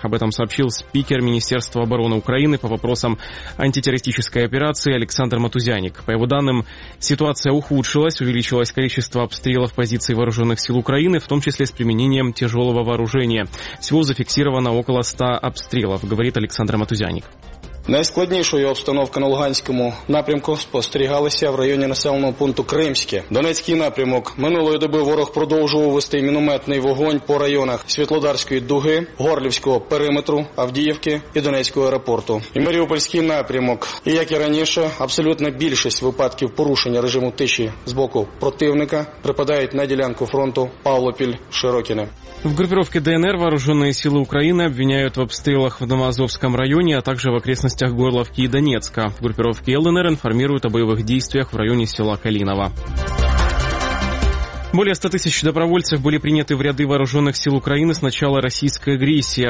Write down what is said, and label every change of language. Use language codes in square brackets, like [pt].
[ru] Об этом сообщил спикер Министерства обороны Украины по вопросам антитеррористической операции Александр Матузяник. По его данным, ситуация ухудшилась, увеличилось количество обстрелов позиций вооруженных сил Украины, в том числе с применением тяжелого вооружения. Всего зафиксировано около 100 обстрелов, говорит Александр Матузяник. [uk] Найскладнішою обстановка на Луганському напрямку спостерігалася в районі населеного пункту Кримське. Донецький напрямок. Минулої доби ворог продовжував вести мінометний вогонь по районах Світлодарської дуги, Горлівського периметру, Авдіївки і Донецького аеропорту. І Маріупольський напрямок. І як і раніше, абсолютна більшість випадків порушення режиму тиші з боку противника припадають на ділянку фронту Павлопіль-Широкіне. [ru] В группировке ДНР вооруженные силы Украины обвиняют в обстрелах в Новоазовском районе, а также в окрестностях Горловки и Донецка. В группировке ЛНР информируют о боевых действиях в районе села Калиново. Более 100 тысяч добровольцев были приняты в ряды вооруженных сил Украины с начала российской агрессии.